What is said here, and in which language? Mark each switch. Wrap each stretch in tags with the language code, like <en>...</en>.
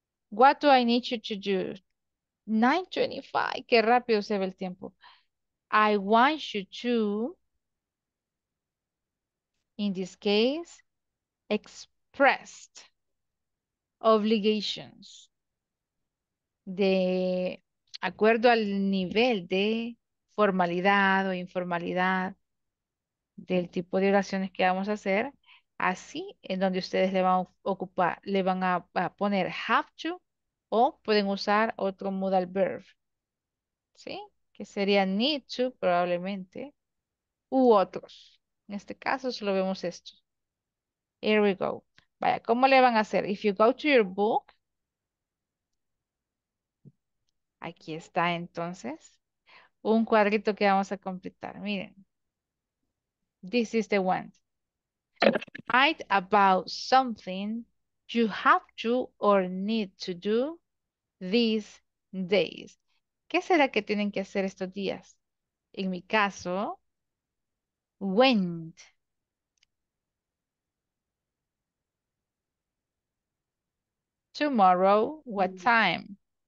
<en>What do I need you to do? 9:25.</en> <es>Qué rápido se ve el tiempo.</es> <en>I want you to, in this case, express obligations.</en> <es>De acuerdo al nivel de formalidad o informalidad del tipo de oraciones que vamos a hacer, así en donde ustedes le van a ocupar, le van a poner have to, o pueden usar otro modal verb, ¿sí? Que sería need to probablemente, u otros. En este caso solo vemos esto.</es> <en>Here we go.</en> <es>Vaya, ¿cómo le van a hacer?</es> <en>If you go to your book,</en> <es>aquí está entonces un cuadrito que vamos a completar. Miren,</es> <en>this is the one. Write about something you have to or need to do these days.</en> <es>¿Qué será que tienen que hacer estos días? En mi caso,</es> <en>went. Tomorrow, what time?</en>